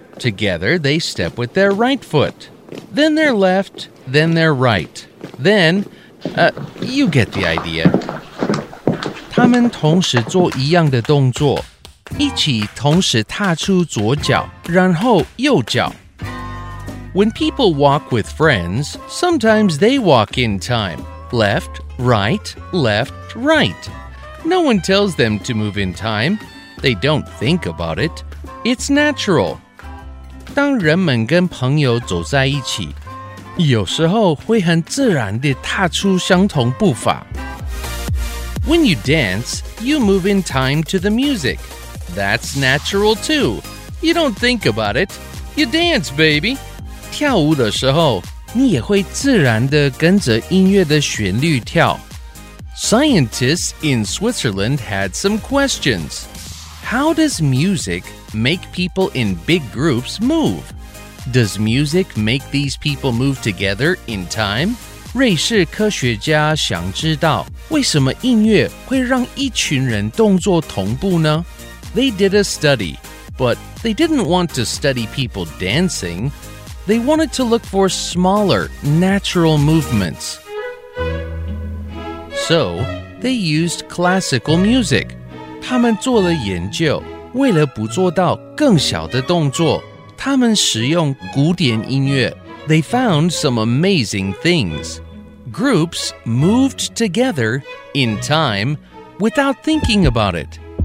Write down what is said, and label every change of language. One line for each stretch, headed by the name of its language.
English: Together they step with their right foot. Then their left, then their right. Then, you get the idea.
Chinese: 他们同时做一样的动作，一起同时踏出左脚，然后右脚。
English: When people walk with friends, sometimes they walk in time. Left, right, left, right. No one tells them to move in time. They don't think about it. It's natural.
Chinese: 当人们跟朋友走在一起，有时候会很自然地踏出相同步伐。
English: When you dance, you move in time to the music. That's natural too. You don't think about it. You dance, baby.
Chinese: 跳舞的时候，你也会自然地跟着音乐的旋律跳。
English: Scientists in Switzerland had some questions. How does music make people in big groups move? Does music make these people move together in time?
Chinese: 瑞士科学家想知道为什么音乐会让一群人动作同步呢？
English: They did a study, but they didn't want to study people dancing. They wanted to look for smaller, natural movements. So, they used classical music.
Chinese: 他们做了研究，为了捕捉到更小的动作，他们使用古典音乐。
English: They found some amazing things. Groups moved together in time without thinking about it.